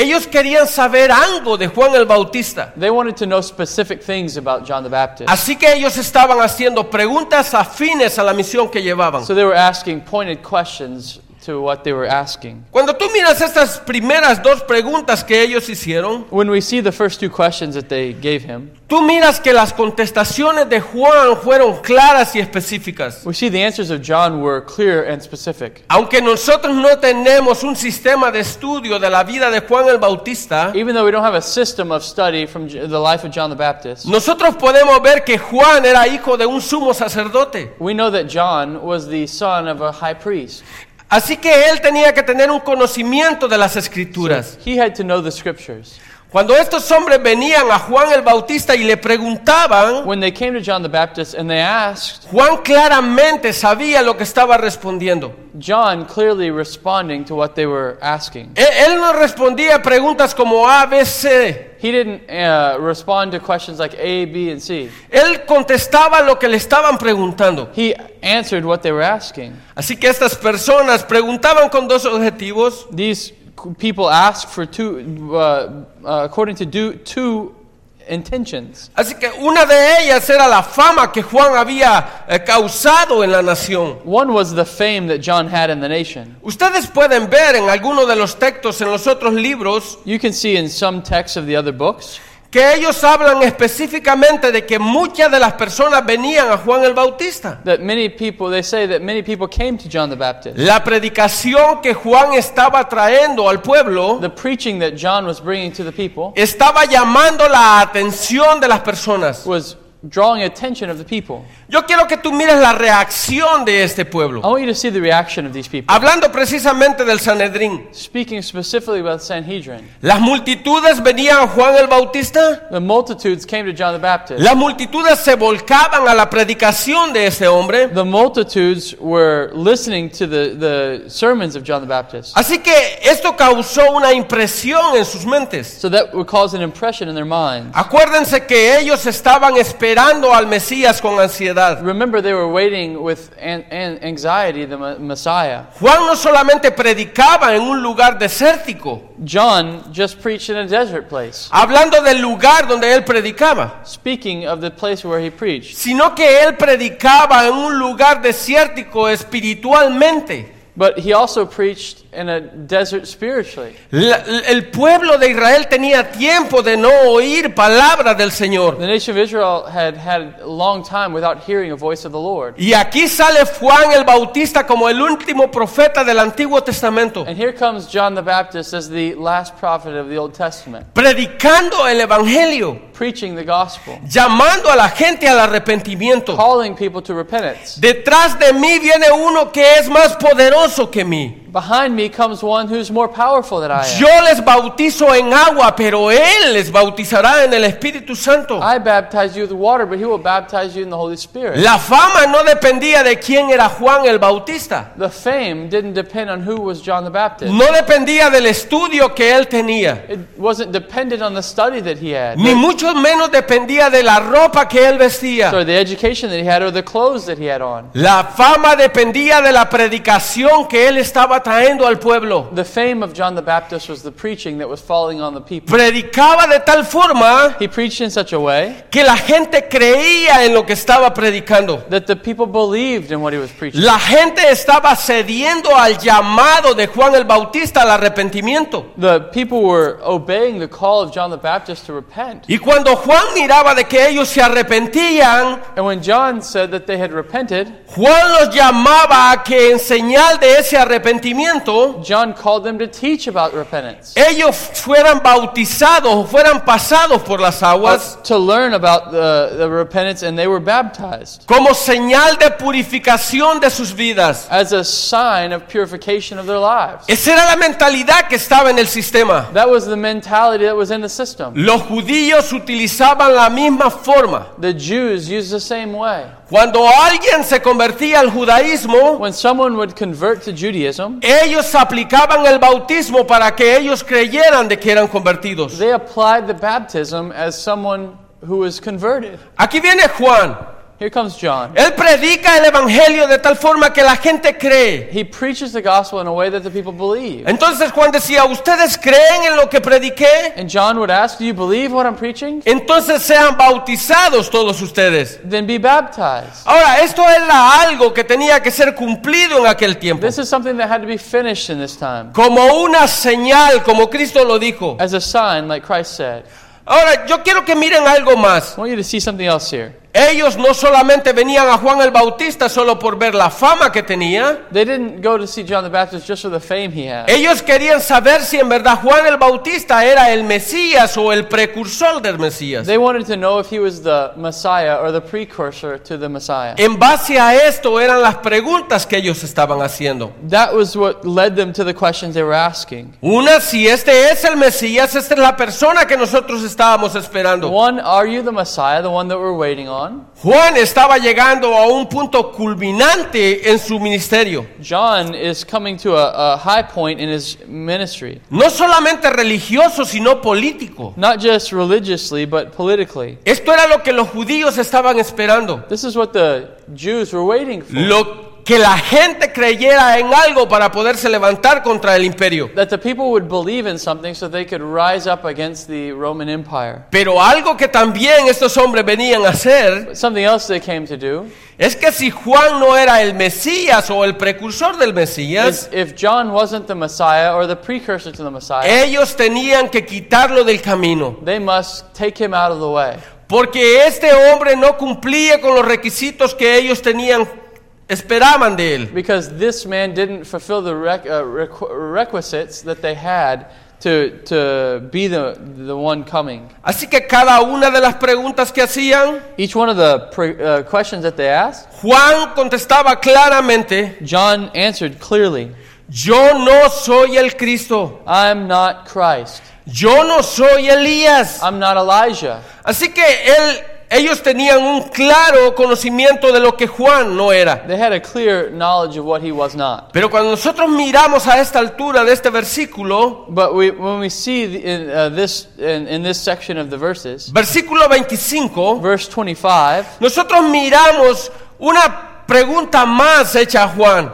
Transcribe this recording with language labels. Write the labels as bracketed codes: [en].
[es] Ellos querían saber algo de Juan el Bautista. [en] They wanted to know specific things about John the Baptist. [es] Así que ellos estaban haciendo preguntas afines a la misión que llevaban. [en] So they were asking pointed questions to what they were asking. [es] Cuando tú miras estas primeras dos preguntas que ellos hicieron, [en] when we see the first two questions that they gave him, [es] tú miras que las contestaciones de Juan fueron claras y específicas. [en] We see the answers of John were clear and specific. [es] Aunque nosotros no tenemos un sistema de estudio de la vida de Juan el Bautista, [en] even though we don't have a system of study from the life of John the Baptist, [es] nosotros podemos ver que Juan era hijo de un sumo sacerdote. [en] We know that John was the son of a high priest. [es] Así que él tenía que tener un conocimiento de las Escrituras. [en] So he had to know the Scriptures. [es] Cuando estos hombres venían a Juan el Bautista y le preguntaban, [en] when they came to John the Baptist and they asked, [es] Juan claramente sabía lo que estaba respondiendo. [en] John clearly responding to what they were asking. [es] Él no respondía preguntas como A, B, C. [en] He didn't respond to questions like A, B, and C. [es] Él contestaba lo que le estaban preguntando. [en] He answered what they were asking. [es] Así que estas personas preguntaban con dos objetivos. [en] These people ask for two, according to two intentions. [es] Así que una de ellas era la fama que Juan había causado en la nación. [en] One was the fame that John had in the nation. [es] Ustedes pueden ver en alguno de los textos en los otros libros, [en] you can see in some texts of the other books, [es] que ellos hablan específicamente de que muchas de las personas venían a Juan el Bautista. [en] That many people, they say that many people came to John the Baptist. [es] La predicación que Juan estaba trayendo al pueblo, [en] the preaching that John was bringing to the people, [es] estaba llamando la atención de las personas. [en] Was drawing attention of the people. [es] Yo quiero que tú mires la reacción de este pueblo. [en] I want you to see the reaction of these people. [es] Hablando precisamente del Sanedrín. [en] Speaking specifically about the Sanhedrin. [es] Las multitudes venían a Juan el Bautista. [en] The multitudes came to John the Baptist. [es] Las multitudes se volcaban a la predicación de ese hombre. [en] The multitudes were listening to the sermons of John the Baptist. [es] Así que esto causó una impresión en sus mentes. [en] So that would cause an impression in their minds. [es] Acuérdense que ellos estaban esperando al Mesías con ansiedad. [en] Remember, they were waiting with anxiety the Messiah. [es] Juan no solamente predicaba en un lugar desértico. [en] John just preached in a desert place. [es] Hablando del lugar donde él predicaba. [en] Speaking of the place where he preached. [es] Sino que él predicaba en un lugar desértico espiritualmente. [en] But he also preached in a desert spiritually. [es] El pueblo de Israel tenía tiempo de no oír palabra del Señor. [en] The nation of Israel had had a long time without hearing a voice of the Lord. [es] Y aquí sale Juan el Bautista como el último profeta del Antiguo Testamento. [en] And here comes John the Baptist as the last prophet of the Old Testament. [es] Predicando el Evangelio. [en] Preaching the gospel. [es] Llamando a la gente al arrepentimiento. [en] Calling people to repentance. [es] Detrás de mí viene uno que es más poderoso que mí. [en] Behind me comes one who's more powerful than I am. [es] Yo les bautizo en agua, pero él les bautizará en el Espíritu Santo. [en] I baptize you with water, but he will baptize you in the Holy Spirit. [es] La fama no dependía de quién era Juan el Bautista. [en] The fame didn't depend on who was John the Baptist. [es] No dependía del estudio que él tenía. [en] It wasn't dependent on the study that he had. [es] Ni mucho menos dependía de la ropa que él vestía. [en] Or the education that he had, or the clothes that he had on. [es] La fama dependía de la predicación que él estaba atrayendo al pueblo. [en] The fame of John the Baptist was the preaching that was falling on the people. [es] Predicaba de tal forma, [en] he preached in such a way, [es] que la gente creía en lo que estaba predicando. [en] That the people believed in what he was preaching. [es] La gente estaba cediendo al llamado de Juan el Bautista al arrepentimiento. [en] The people were obeying the call of John the Baptist to repent. [es] Y cuando Juan miraba de que ellos se arrepentían, [en] and when John said that they had repented, [es] Juan los llamaba a que en señal de ese arrepentimiento, [en] John called them to teach about repentance. [es] Ellos fueran bautizados o fueran pasados por las aguas, [en] to learn about the repentance, and they were baptized. [es] Como señal de purificación de sus vidas. [en] As a sign of purification of their lives. [es] Esa era la mentalidad que estaba en el sistema. [en] That was the mentality that was in the system. [es] Los judíos utilizaban la misma forma. [en] The Jews used the same way. [es] Cuando alguien se convertía al judaísmo, [en] when someone would convert to Judaism, [es] ellos aplicaban el bautismo para que ellos creyeran de que eran convertidos. [en] They applied the baptism as someone who was converted. [es] Aquí viene Juan. [en] Here comes John. [es] Él predica el evangelio de tal forma que la gente cree. [en] He preaches the gospel in a way that the people believe. [es] Entonces Juan decía, ¿ustedes creen en lo que prediqué? [en] And John would ask, do you believe what I'm preaching? [es] Entonces sean bautizados todos ustedes. [en] Then be baptized. [es] Ahora, esto era algo que tenía que ser cumplido en aquel tiempo. [en] This is something that had to be finished in this time. [es] Como una señal, como Cristo lo dijo. [en] As a sign, like Christ said. [es] Ahora, yo quiero que miren algo más. [en] I want you to see something else here. [es] Ellos no solamente venían a Juan el Bautista solo por ver la fama que tenía. [en] They didn't go to see John the Baptist just for the fame he had. [es] Ellos querían saber si en verdad Juan el Bautista era el Mesías o el precursor del Mesías. [en] They wanted to know if he was the Messiah or the precursor to the Messiah. [es] En base a esto eran las preguntas que ellos estaban haciendo. [en] That was what led them to the questions they were asking. [es] Una, si este es el Mesías, esta es la persona que nosotros estábamos esperando. [en] One, are you the Messiah, the one that we're waiting on? [es] Juan estaba llegando a un punto culminante en su ministerio. [en] John is coming to a high point in his ministry. [es] No solamente religioso, sino político. [en] Not just religiously, but politically. [es] Esto era lo que los judíos estaban esperando. [en] This is what the Jews were waiting for. [es] Lo que la gente creyera en algo para poderse levantar contra el imperio. [en] That the people would believe in something so they could rise up against the Roman Empire. [es] Pero algo que también estos hombres venían a hacer, [en] something else they came to do, [es] es que si Juan no era el Mesías o el precursor del Mesías, [en] if John wasn't the Messiah or the precursor to the Messiah, [es] ellos tenían que quitarlo del camino. [en] They must take him out of the way. [es] Porque este hombre no cumplía con los requisitos que ellos tenían esperaban de él. [en] Because this man didn't fulfill the requisites that they had to be the one coming. [es] Así que cada una de las preguntas que hacían, [en] each one of the questions that they asked, [es] Juan contestaba claramente, [en] John answered clearly, [es] yo no soy el Cristo. [en] I'm not Christ. [es] Yo no soy Elías. [en] I'm not Elijah. [es] Así que él, ellos tenían un claro conocimiento de lo que Juan no era. [en] They had a clear knowledge of what he was not. [es] Pero cuando nosotros miramos a esta altura de este versículo, [en] but we, when we see in this section of the verses, [es] versículo 25, [en] verse 25, [es] nosotros miramos una pregunta más hecha a Juan.